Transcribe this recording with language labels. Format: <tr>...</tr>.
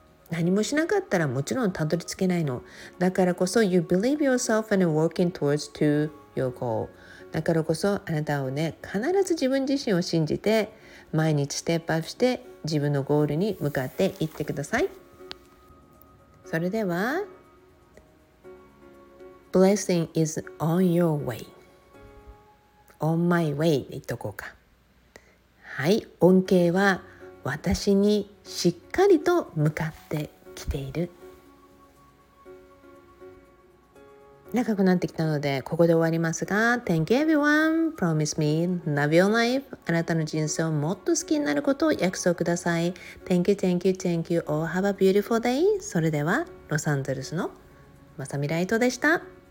<ja>何もしなかったらもちろんたどり着けないの。だからこそ</ja> <en>You believe yourself and working towards to your goal、</en> <ja>だからこそあなたをね、必ず自分自身を信じて毎日ステップアップして自分のゴールに向かって行ってください。それでは、</ja> <en>Blessing is on your way. On my way</en> <ja>で言っとこうか。はい、恩恵は私にしっかりと向かってきている。長くなってきたのでここで終わりますが、</ja> <en>Thank you everyone. Promise me, love your life.</en> <ja>あなたの人生をもっと好きになることを約束ください。</ja> <en>Thank you, thank you, thank you. Oh, have a beautiful day.</en> <ja>それでは、ロサンゼルスのまさみライトでした。</ja>